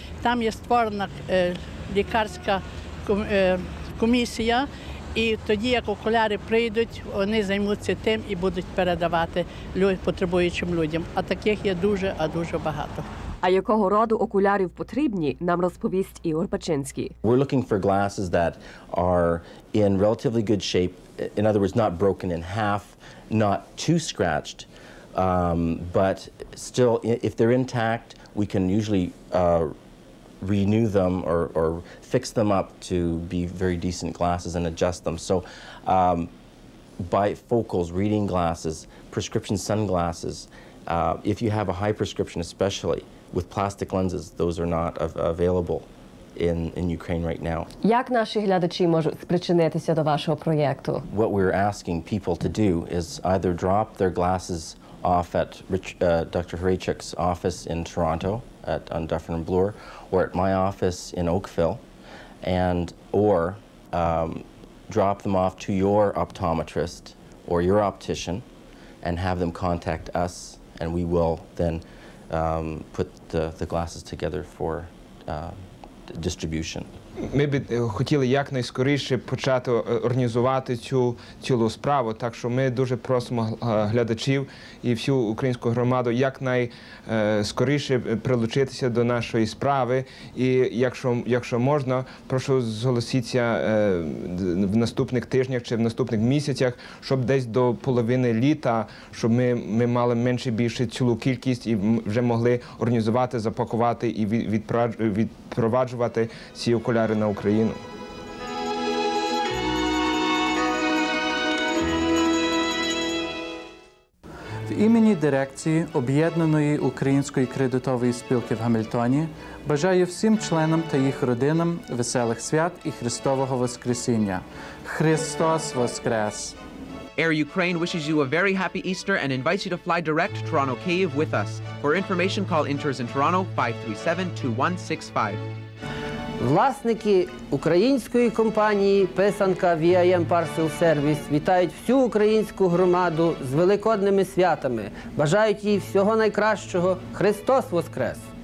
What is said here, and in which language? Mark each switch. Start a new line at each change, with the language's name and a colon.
Ukrainian: Там є створена лікарська комісія. І тоді, як окуляри прийдуть, вони займуться тим і будуть передавати потребуючим людям. А таких є дуже багато. А якого роду окулярів потрібні, нам розповість Ігор Бачинський.
English: We're looking for glasses that are in relatively good shape, in other words, not broken in half, not too scratched, but still, if they're intact, we can usually renew them or fix them up to be very decent glasses and adjust them. So bifocals, reading glasses, prescription sunglasses, if you have a high prescription, especially with plastic lenses, those are not available in Ukraine right now.
Ukrainian: Як наші глядачі можуть спричинитися до вашого проєкту?
English: What we're asking people to do is either drop their glasses off at Dr. Horacek's office in Toronto at on Dufferin and Bloor, or at my office in Oakville, and or drop them off to your optometrist or your optician and have them contact us, and we will then put the glasses together for distribution.
Ukrainian: Ми б хотіли якнайскоріше почати організувати цілу справу, так що ми дуже просимо глядачів і всю українську громаду якнайскоріше прилучитися до нашої справи. І якщо можна, прошу зголоситися в наступних тижнях чи в наступних місяцях, щоб десь до половини літа, щоб ми мали менше більше цілу кількість і вже могли організувати, запакувати і відпроваджувати ці окуляри на Україну. В імені дирекції Об'єднаної Української кредитової спілки в Гамільтоні бажаю всім членам та їх родинам веселих свят і Христового Воскресіння. Христос Воскрес!
English: Air Ukraine wishes you a very happy Easter and invites you to fly direct Toronto-Kyiv with us. For information, call Inters in Toronto 537-2165.
Ukrainian: Власники української компанії «Писанка VIM Parcel Service» вітають всю українську громаду з великодними святами. Бажають їй всього найкращого. Христос Воскрес!